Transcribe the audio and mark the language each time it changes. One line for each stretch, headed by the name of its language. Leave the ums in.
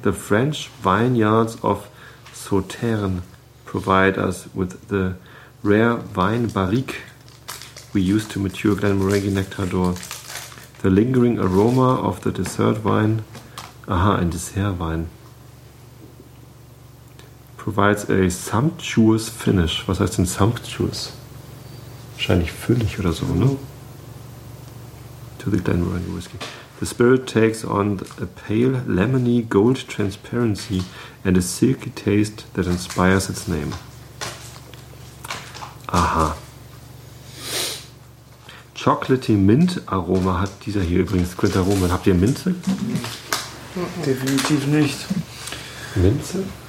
English: The French vineyards of Sauternes provide us with the rare wine barrique we use to mature Glenmorangie Nectar d'Or. The lingering aroma of the dessert wine,
German: aha, ein Dessertwein,
English: provides a sumptuous finish.
German: Was heißt denn sumptuous? Wahrscheinlich füllig oder so, ne?
English: To the Glenmorangie Whiskey. The spirit takes on a pale lemony gold transparency and a silky taste that inspires its name. Aha.
German: Chocolatey Mint Aroma hat dieser hier übrigens, Quinta Roman. Habt ihr Minze? Definitiv nicht. Minze?